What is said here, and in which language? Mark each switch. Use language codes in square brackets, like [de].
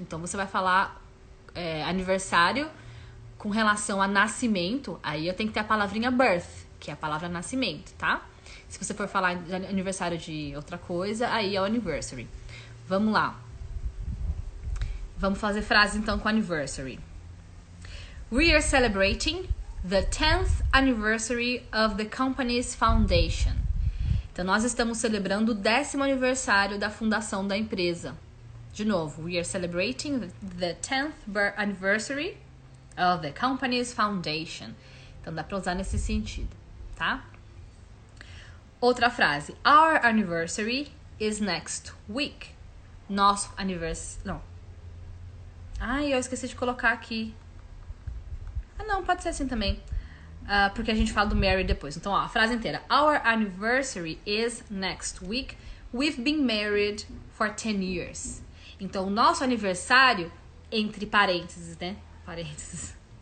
[pt] Então, você vai falar aniversário... Com relação a nascimento, aí eu tenho que ter a palavrinha birth, que é a palavra nascimento, tá? Se você for falar de aniversário de outra coisa, aí é o anniversary. Vamos lá. Vamos fazer frase, então, com anniversary. [en] We are celebrating the 10th anniversary of the company's foundation. [pt] Então, nós estamos celebrando o 10º aniversário da fundação da empresa. [en] De novo, we are celebrating the 10th anniversary... of the company's foundation. [pt] Então, dá pra usar nesse sentido, tá? Outra frase. [en] Our anniversary is next week. [pt] Nosso aniversário... Não. Ai, eu esqueci de colocar aqui. Ah, não. Pode ser assim também. Porque a gente fala do Mary depois. Então, ó. A frase inteira. [en] Our anniversary is next week. We've been married for 10 years. [pt] Então, o nosso aniversário, entre parênteses, né? Parênteses.